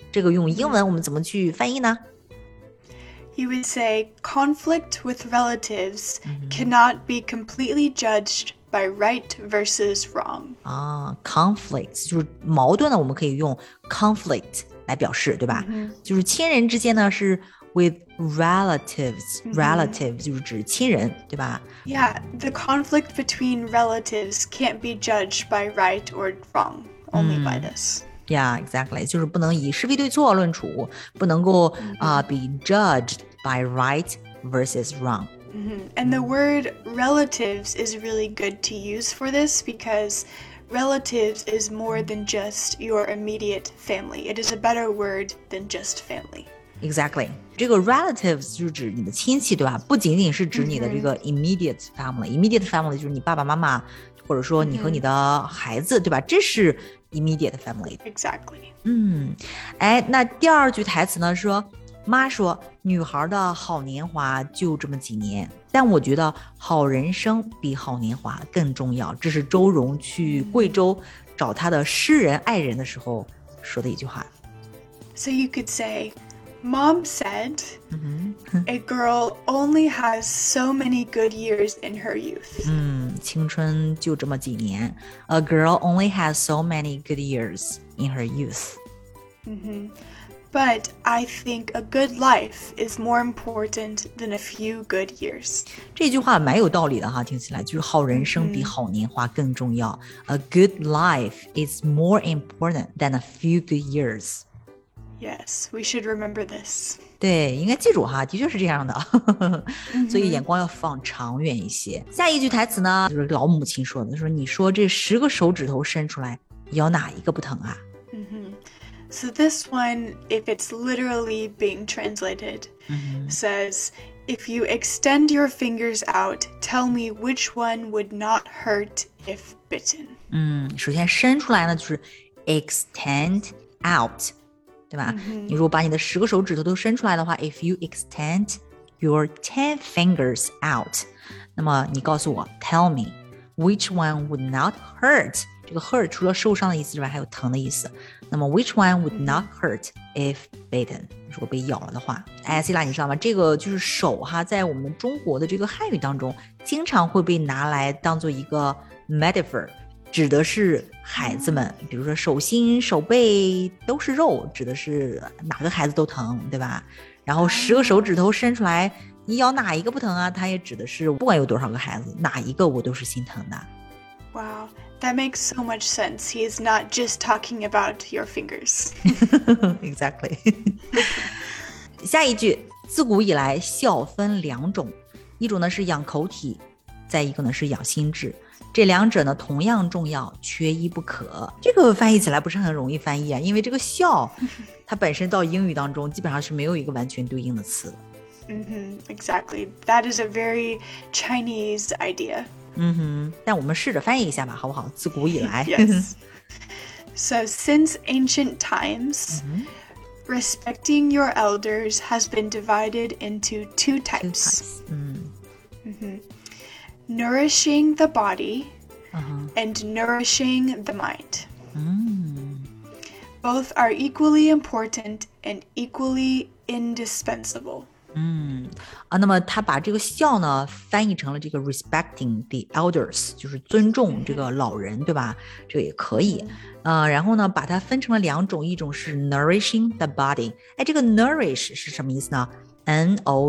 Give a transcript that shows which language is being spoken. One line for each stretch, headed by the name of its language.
Chinese: 这个用英文我们怎么去翻译呢？
English: He would say, conflict with relatives cannot be completely judged by right versus wrong.
Chinese: Conflict, 就是矛盾呢，我们可以用 conflict 来表示，对吧？Mm-hmm. 就是亲人之间呢，是 with relatives,、mm-hmm. relatives 就是指亲人，对吧？
English: Yeah, the conflict between relatives can't be judged by right or wrong, only、mm-hmm. by this. Yeah, exactly.
Chinese: 就是不能以是非对错论处，不能够、
English: be judged by right versus wrong.、 Mm-hmm. And the word relatives is really good to use for this because relatives is more than just your immediate family. It is a better word than just family. Exactly.
Chinese: 这个 relatives 就是指你的亲戚，对吧？不仅仅是指你的这个 immediate family.、Mm-hmm. Immediate family 就是你爸爸妈妈，或者说你和你的孩子、mm-hmm. 对吧，这是 immediate family.
English: Exactly.
Chinese: 那第二句台词呢，说妈说女孩的好年华就这么几年，但我觉得好人生比好年华更重要。这是周荣去贵州找他的诗人爱人的时候说的一句话。
English: So you could say, mom said, a girl only has so many good years in her youth.
Chinese: 青春就这么几年。
English: A girl only has so many good years in her youth. But I think a good life is more important than a few good years.
Chinese: 这句话蛮有道理的哈，听起来就是好人生比好年华更重要。
English: A good life is more important than a few good years. Yes, we should remember this.
Chinese: 对，应该记住哈，的确是这样的。所以眼光要放长远一些。下一句台词呢，就是老母亲说的，说你说这十个手指头伸出来，有哪一个不疼啊？
English: So this one, if it's literally being translated, says, if you extend your fingers out, tell me which one would not hurt if bitten.
Chinese: 首先伸出来呢，就是 extend out,对吧、你如果把你的十个手指头都伸出来的话
English: If you extend your 10 fingers out
Chinese: 那么你告诉我
English: Tell me Which one would not hurt 这个 hurt 除了受伤的意思之外还有疼的意思那么 Which one would not hurt if bitten
Chinese: 如果被咬了的话哎 Sila 你知道吗这个就是手哈在我们中国的这个汉语当中经常会被拿来当做一个 metaphor 指的是孩子们比如说手心手背都是肉指的是哪个孩子都疼对吧然后十个手指头伸出来你咬哪一个不疼啊它也指的是不管有多少个孩子哪一个我都是心疼的
English: Wow, that makes so much sense. He is not just talking about your fingers. Exactly.
Chinese: 下一句自古以来孝分两种一种呢是养口体再一个呢是养心智这两者呢同样重要缺一不可这个翻译起来不是很容易翻译啊因为这个孝它本身到英语当中基本上是没有一个完全对应的词、
English: Exactly, that is a very Chinese idea、
Chinese: 但我们试着翻译一下吧好不好自古以来、
English: Yes. So since ancient times、Respecting your elders has been divided into two types, Nourishing the body、and nourishing the mind.、Both are equally important and equally indispensable.、
Chinese: 那么他把这个孝呢翻译成了这个 respecting the elders, 就是尊重这个老人、对吧这也可以、然后呢把它分成了两种一种是
English: nourishing the body.
Chinese: 哎这个 nourish 是什么意思呢 N-O-U-R-I-S-H.